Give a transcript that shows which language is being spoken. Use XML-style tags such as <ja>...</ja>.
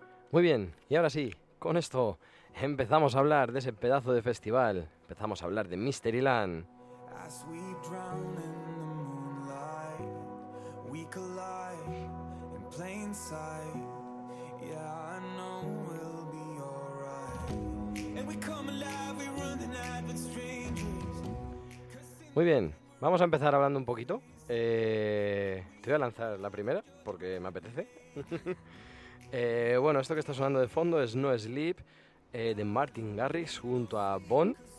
<es>Muy bien, y ahora sí, con esto empezamos a hablar de ese pedazo de festival. Empezamos a hablar de Mysteryland.</es> <en>As we drown in the moonlight, we collide in plain sight. Yeah, I know we'll be alright. And we come alive, we run the night with strangers.</en> <es>Muy bien, vamos a empezar hablando un poquito. Te voy a lanzar la primera, porque me apetece. Bueno, esto que está sonando de fondo es No Sleep, de Martin Garrix junto a Bond.</es>